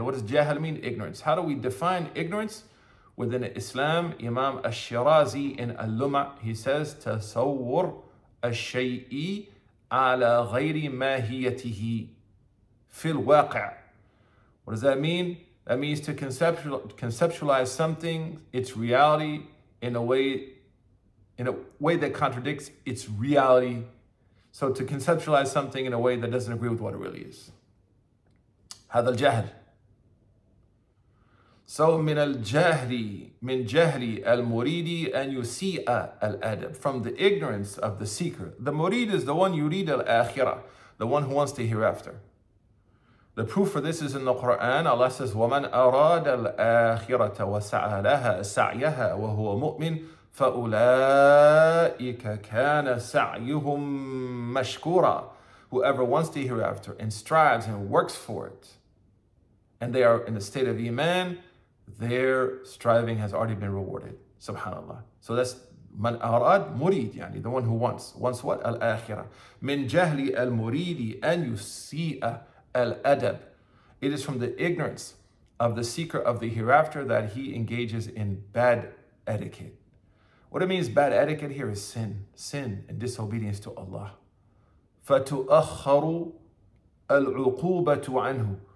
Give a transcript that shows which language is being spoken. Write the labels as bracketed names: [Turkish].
[English] What does jahl mean? Ignorance. How do we define ignorance? Within Islam, Imam al-Shirazi in al-Lum'a, he says, [Arabic] tasawwur al-shay'i ala ghayri mahiyatihi fil waqi'. [English] What does that mean? That means to conceptualize something, its reality, in a way that contradicts its reality. So to conceptualize something in a way that doesn't agree with what it really is. [Arabic] هذا الجهل. So من الجهل من جهل المريد أن يسيء الأدب. [English] From the ignorance of the seeker. The murid is the one [Arabic] يريد الآخرة. [English] The one who wants the hereafter. The proof for this is in the Quran. Allah says, [Arabic] وَمَنْ أَرَادَ الْآخِرَةَ وَسَعَى لَهَا سَعْيَهَا وَهُوَ مُؤْمِنٌ فَأُولَٰئِكَ كَانَ سَعْيُهُمْ مَشْكُورًا. [English] Whoever wants the hereafter and strives and works for it, and they are in the state of Iman, their striving has already been rewarded. Subhanallah. So that's [Arabic] من أراد مريد, يعني [English] the one who wants what? [Arabic] الآخرة. من جهل المريد أن يسيئ Al-adab. [English] It is from the ignorance of the seeker of the hereafter that he engages in bad etiquette. What it means, bad etiquette here, is sin and disobedience to Allah. [Arabic] فَتُؤَخَّرُ الْعُقُوبَةُ عَنْهُ.